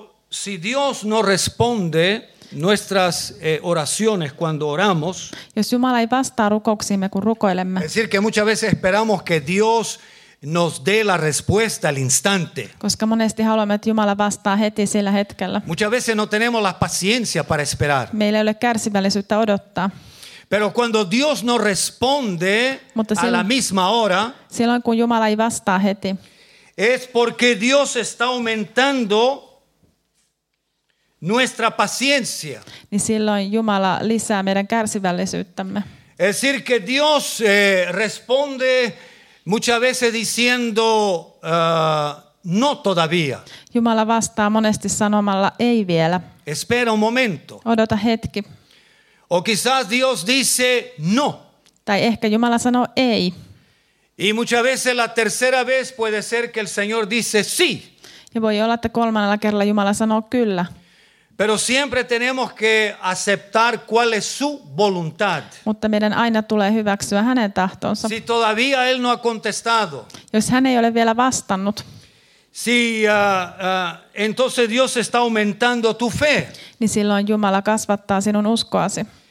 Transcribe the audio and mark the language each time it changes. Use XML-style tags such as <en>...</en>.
<es>Si Dios no responde nuestras oraciones cuando oramos,</es> <fi>jos Jumala ei vastaa rukouksiimme, kun rukoilemme.</fi> <es>Es decir que muchas veces esperamos que Dios nos dé la respuesta al instante.</es> <fi>Koska monesti haluamme, että Jumala vastaa heti sillä hetkellä.</fi> <es>Muchas veces no tenemos la paciencia para esperar.</es> <fi>Meillä ei ole kärsivällisyyttä odottaa.</fi> <es>Pero cuando Dios no responde a la misma hora,</es> <fi>silloin kun Jumala ei vastaa heti,</fi> <es>es porque Dios está aumentando nuestra paciencia.</es> <fi>Niin silloin Jumala lisää meidän kärsivällisyyttämme.</fi> <es>Es decir que Dios responde muchas veces diciendo no todavía.</es> <fi>Jumala vastaa monesti sanomalla ei vielä.</fi> <es>Espera un momento.</es> <fi>Odota hetki.</fi> <es>O quizás Dios dice no.</es> <fi>Tai ehkä Jumala sanoo ei.</fi> <es>Y muchas veces la tercera vez puede ser que el Señor dice sí.</es> <fi>Ja voi olla, että kolmannella kerralla Jumala sanoo kyllä.</fi> <es>Pero siempre tenemos que aceptar cuál es su voluntad.</es> <fi>Mutta meidän aina tulee hyväksyä hänen tahtonsa.</fi> <es>Si todavía él no ha contestado.</es> <fi>Jos hän ei ole vielä vastannut.</fi> <es>Si entonces Dios está aumentando tu fe.</es> <fi>Niin silloin Jumala kasvattaa sinun uskoasi.</fi>